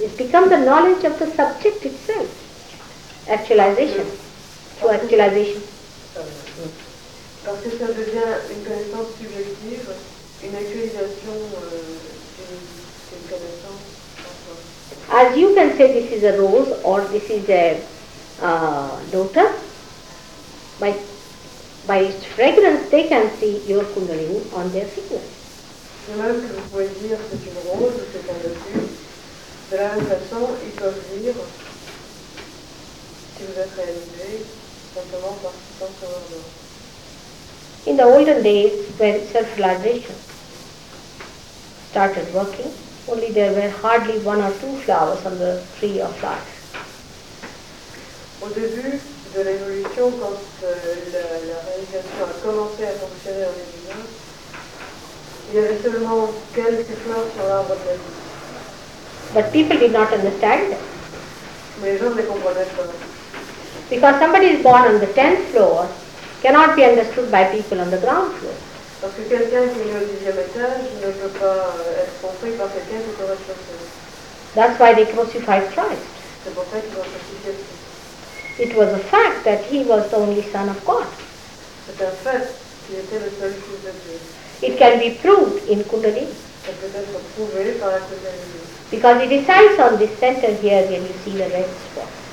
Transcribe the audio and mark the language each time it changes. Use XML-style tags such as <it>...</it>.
<en>It becomes the knowledge of the subject itself. Actualization. Through actualization.</en> <fr>Parce que ça devient une connaissance subjective, une actualisation d'une connaissance.</fr> <en>As you can say this is a rose or this is a lotus, by its fragrance they can see your Kundalini on their fingers.</en> <fr>De même que vous pouvez dire c'est une rose ou c'est un lotus, de la même façon ils peuvent lire si vous êtes réalisé simplement par ce sens de leur nom.</fr> <en>In the olden days when self-realization started working, only there were hardly one or two flowers on the tree of life.</en> <fr>Au début de l'évolution, quand la réalisation a commencé à fonctionner en l'évolution, il y avait seulement quelques fleurs sur l'arbre de la vie.</fr> <en>But people did not understand.</en> <fr>Mais les gens ne comprenaient pas.</fr> <en>Because somebody is born on the 10th floor cannot be understood by people on the ground floor.</en> <fr>Parce que quelqu'un qui est au 10e étage ne peut pas être compris par quelqu'un qui est au rez-de-chaussée.</fr> <en>That's why they crucified Christ.</en> <fr>C'est pour ça qu'ils ont crucifié Christ.</fr> <en>It was a fact that he was the only son of God.</en> <fr>C'est un fait qu'il était le seul fils de Dieu.</fr> <en>It can be proved in Kundalini.</en> <fr>Ça peut être prouvé par la Kundalini.</fr> <en>Because he decides on this center here when you see the red spot.</en>